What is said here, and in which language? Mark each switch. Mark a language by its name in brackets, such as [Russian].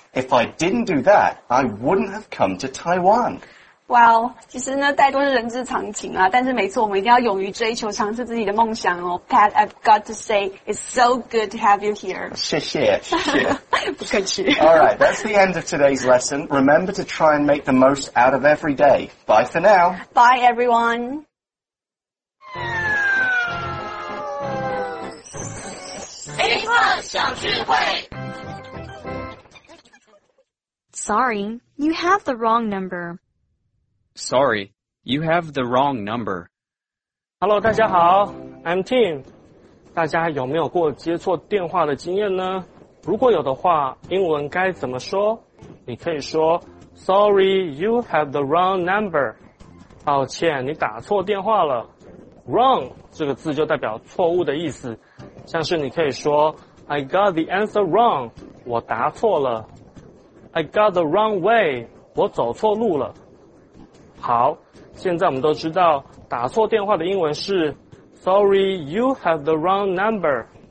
[English] If I didn't do that, I wouldn't have come to Taiwan. [Chinese] 哇哦，其实呢，怠惰是人之常情啊。但是没错，我们一定要勇于追求，尝试自己的梦想哦。 [English] Pat, I've got to say, it's so good to have you here. [Chinese] 谢谢。不客气。 [English] All right, that's the end of today's lesson. Remember to try and make the most out of every day. Bye for now. Bye, everyone. Sorry, you have the wrong number. Sorry, you have the wrong number. Hello, [Chinese] 大家好 [English] I'm Tim. [Chinese] 大家有没有过接错电话的经验呢？如果有的话，英文该怎么说？你可以说 [English] Sorry, you have the wrong number. [Chinese] 抱歉，你打错电话了。 Wrong 这个字就代表错误的意思，像是你可以说 [English] I got the answer wrong. [Chinese] 我答错了。 [English] I got the wrong way. [Chinese] 我走错路了。好，现在我们都知道打错电话的英文是 [English] Sorry, you have the wrong number.